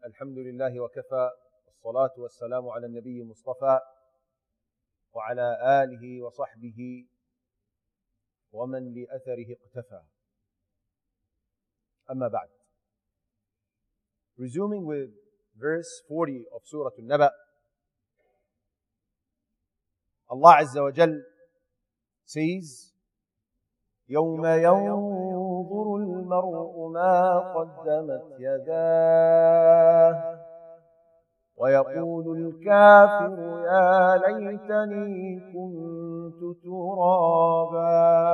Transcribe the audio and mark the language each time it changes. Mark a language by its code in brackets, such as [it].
[ar] الحمد لله وكفى، والصلاة والسلام على النبي المصطفى وعلى آله وصحبه ومن لأثره اقتفى. أما بعد. [en] Resuming with verse 40 of Surah Al-Naba, Allah عز وجل says, [ar] يوم يوم ينظر المرء ما قدمت يداه ويقول الكافر يا ليتني كنت ترابا.